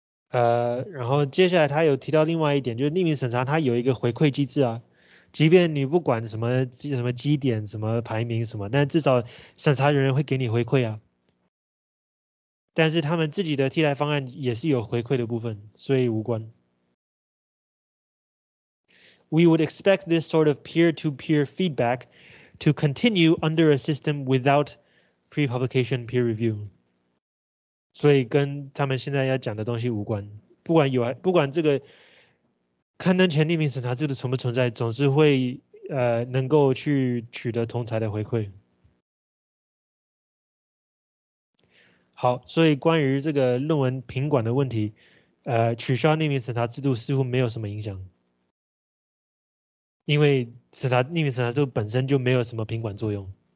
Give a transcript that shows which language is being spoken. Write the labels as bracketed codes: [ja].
[zh] 然后接下来他有提到另外一点，就是匿名审查他有一个回馈机制啊，即便你不管什么基点什么排名什么，但至少审查人员会给你回馈啊。但是他们自己的替代方案也是有回馈的部分，所以无关。 [en] We would expect this sort of peer-to-peer feedback to continue under a system without pre-publication peer review. [zh] 所以跟他们现在要讲的东西无关，不管这个刊登权利名审查制度存不存在，总是会能够去取得同侪的回馈。好，所以关于这个论文评管的问题，取消匿名审查制度似乎没有什么影响，因为匿名审查制度本身就没有什么评管作用。